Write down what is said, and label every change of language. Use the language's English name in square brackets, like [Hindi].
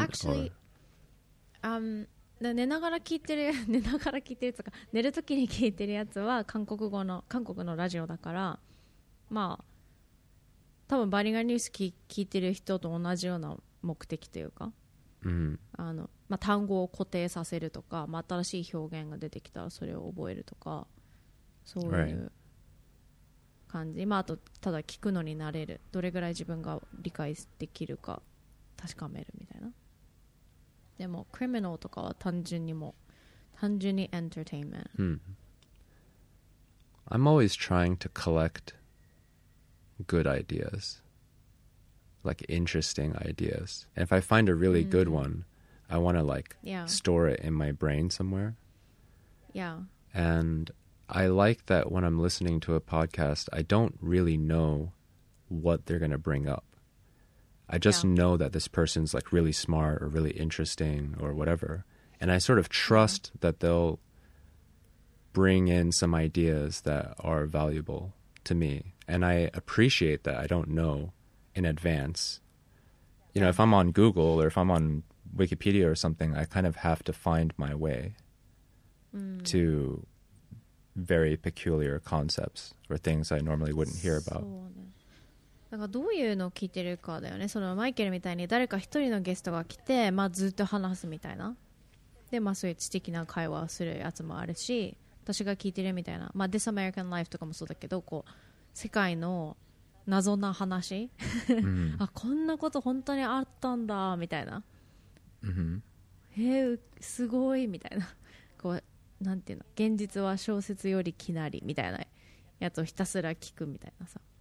[English] Actually, [Japanese] 寝ながら聞いてる、寝ながら聞いてるとか、寝るときに聞いてるやつは韓国語の、韓国のラジオだから、まあ多分バリガニュース聞いてる人と同じような目的というか、まあ、単語を固定させるとか、まあ、新しい表現が出てきたらそれを覚えるとか、そういう感じ、 [English] right. [Japanese] まあ、あとただ聞くのに慣れる、どれぐらい自分が理解できるか確かめるみたいな。でもクリミナルとかは単純にも、単純にエンターテインメント。 [English] I'm always trying to collect good ideas, like interesting ideas. And if I find a really good one, I want to like store it in my brain somewhere. Yeah. And I like that when I'm listening to a podcast, I don't really know what they're going to bring up. I just know that this person's like really smart or really interesting or whatever. And I sort of trust that they'll bring in some ideas that are valuable to me. And I appreciate that I don't know in advance. You know, if I'm on Google or if I'm on Wikipedia or something, I kind of have to find my way to very peculiar concepts or things I normally wouldn't hear about. [Japanese] だからどういうのを聞いてるかだよね。そのマイケルみたいに誰か一人のゲストが来て、まあ、ずっと話すみたいな、で、まあ、そういう知的な会話をするやつもあるし、私が聞いてるみたいな、まあ、This American Life とかもそうだけど、こう世界の謎な話、あ、こんなこと本当にあったんだみたいな、すごいみたいな、こうなんていうの、現実は小説より奇なりみたいなやつをひたすら聞くみたいなさ。